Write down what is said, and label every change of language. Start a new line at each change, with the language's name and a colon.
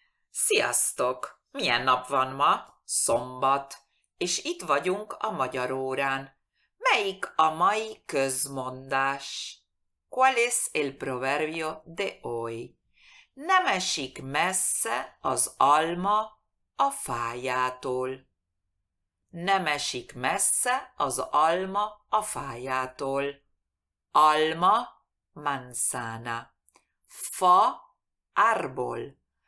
Hungarian: Sziasztok! Milyen nap van ma? Szombat. És itt vagyunk a magyar órán. Melyik a mai közmondás?
Spanish: ¿Cuál es el proverbio de hoy?
Hungarian: Nem esik messze az alma a fájától. Nem esik messze az alma a fájától. Alma, manzana. Fa, árbol.